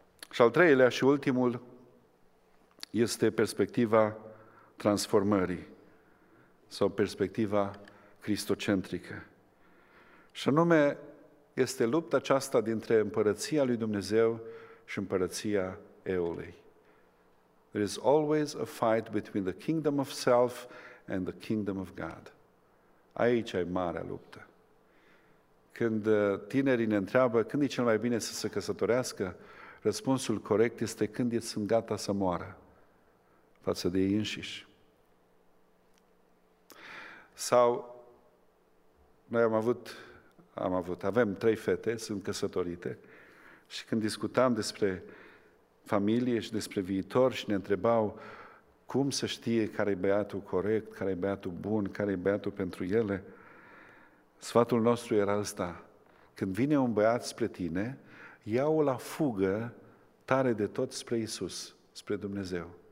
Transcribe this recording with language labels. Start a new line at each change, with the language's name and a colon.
Romanian: Și al treilea și ultimul este perspectiva transformării sau perspectiva cristocentrică. Și anume este lupta aceasta dintre împărăția lui Dumnezeu și împărăția eului.
English: There is always a fight between the kingdom of self and the kingdom of God.
Romanian: Aici e marea luptă. Când tinerii ne întreabă când e cel mai bine să se căsătorească, răspunsul corect este când ei sunt gata să moară față de ei înșiși. Sau noi avem trei fete, sunt căsătorite și când discutam despre familie și despre viitor și ne întrebau cum să știe care e băiatul corect, care e băiatul bun, care e băiatul pentru ele, sfatul nostru era ăsta: când vine un băiat spre tine, ia-o la fugă tare de tot spre Iisus, spre Dumnezeu.